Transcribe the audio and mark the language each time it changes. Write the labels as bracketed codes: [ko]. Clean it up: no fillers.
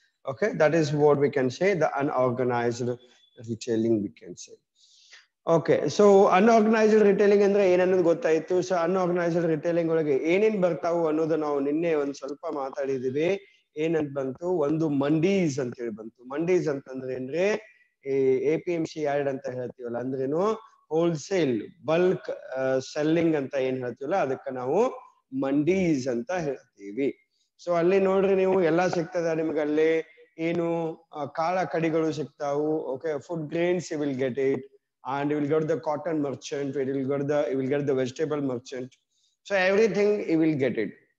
[en] Okay, that is what we can say, the unorganized retailing we can say. [kn] Okay so unorganised retailing ಅಂದ್ರೆ ಏನನ್ನೋದು ಗೊತ್ತಾಯ್ತು. So unorganised retailing ಒಳಗೆ ಏನೇನ್ ಬರ್ತಾವು ಅನ್ನೋದು ನಾವು ನಿನ್ನೆ ಒಂದ್ ಸ್ವಲ್ಪ ಮಾತಾಡಿದೀವಿ. ಏನಂತ ಬಂತು, ಒಂದು ಮಂಡೀಸ್ ಅಂತ ಹೇಳಿ ಬಂತು. ಮಂಡೀಸ್ ಅಂತಂದ್ರೆ ಏನ್ರಿ, ಈ A P M C yard ಅಂತ ಹೇಳ್ತೀವಲ್ಲ, ಅಂದ್ರೇನು ಹೋಲ್ಸೇಲ್ ಬಲ್ಕ್ ಸೆಲ್ಲಿಂಗ್ ಅಂತ ಏನ್ ಹೇಳ್ತೀವಲ್ಲ, ಅದಕ್ಕೆ ನಾವು ಮಂಡೀಸ್ ಅಂತ ಹೇಳ್ತೀವಿ. ಸೊ ಅಲ್ಲಿ ನೋಡ್ರಿ ನೀವು, ಎಲ್ಲಾ ಸಿಗ್ತದೆ ನಿಮ್ಗೆ ಅಲ್ಲಿ. ಏನು ಕಾಳ ಕಡಿಗಳು ಸಿಗ್ತಾವು, [en] Okay, food grains you will get it, and you will get the cotton merchant, you will get the vegetable merchant. So everything you will get it.